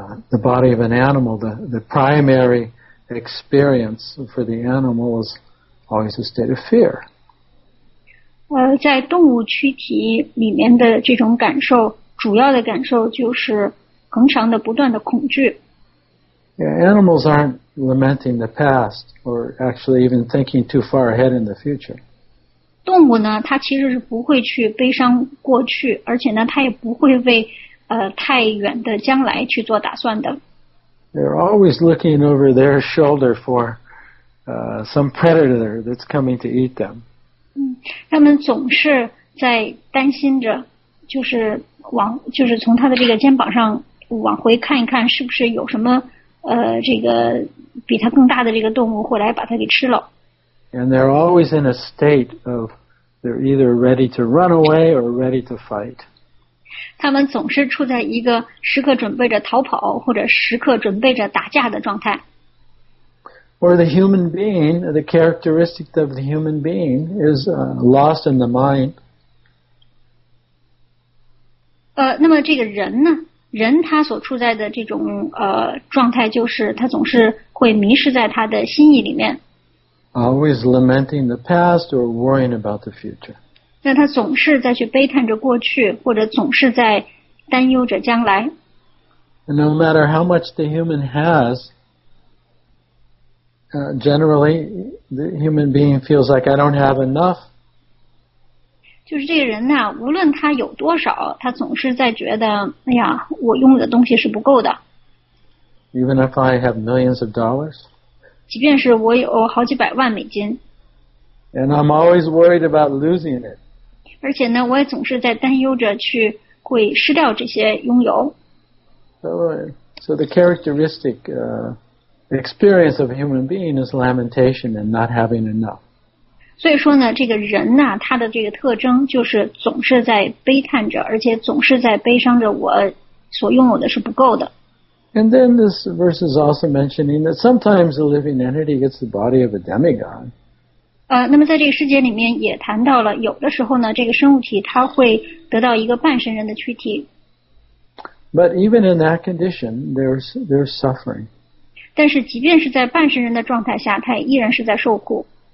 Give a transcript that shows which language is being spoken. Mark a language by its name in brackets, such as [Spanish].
[English] the body of an animal, the primary experience for the animal is always a state of fear. [Chinese] 在动物躯体里面的这种感受，主要的感受就是恒常的不断的恐惧。 [English] Yeah, animals aren't lamenting the past or actually even thinking too far ahead in the future. [Chinese] 动物呢，它其实是不会去悲伤过去，而且呢，它也不会为太远的将来去做打算的。 [English] They're always looking over their shoulder for some predator that's coming to eat them. [Chinese] 他们总是在担心着，就是往就是从他的这个肩膀上往回看一看，是不是有什么这个比他更大的这个动物会来把他给吃了。 [English] And they're always in a state of they're either ready to run away or ready to fight. [Chinese] 他们总是处在一个时刻准备着逃跑或者时刻准备着打架的状态。 [English] Or the human being, the characteristic of the human being is lost in the mind. [Chinese] 那么这个人呢？人他所处在的这种状态，就是他总是会迷失在他的心意里面。 [English] Always lamenting the past or worrying about the future. [Chinese] 那他总是在去悲叹着过去，或者总是在担忧着将来。 [English] And no matter how much the human has, generally the human being feels like I don't have enough. [Chinese] 就是这个人呢，无论他有多少，他总是在觉得，哎呀，我拥有的东西是不够的。 [English] Even if I have millions of dollars. [Chinese] 即便是我有好几百万美金。 [English] And I'm always worried about losing it. [Chinese] 而且呢，我也总是在担忧着去会失掉这些拥有。 [English] So the characteristic experience of a human being is lamentation and not having enough. [Chinese] 所以说呢，这个人呢，他的这个特征就是总是在悲叹着，而且总是在悲伤着我所拥有的是不够的。 [English] And then this verse is also mentioning that sometimes a living entity gets the body of a demigod. [Chinese] 那么在这个世界里面也谈到了，有的时候呢，这个生物体它会得到一个半神人的躯体。 [English] But even in that condition, there's suffering. [Chinese] 但是即便是在半神人的状态下，它也依然是在受苦。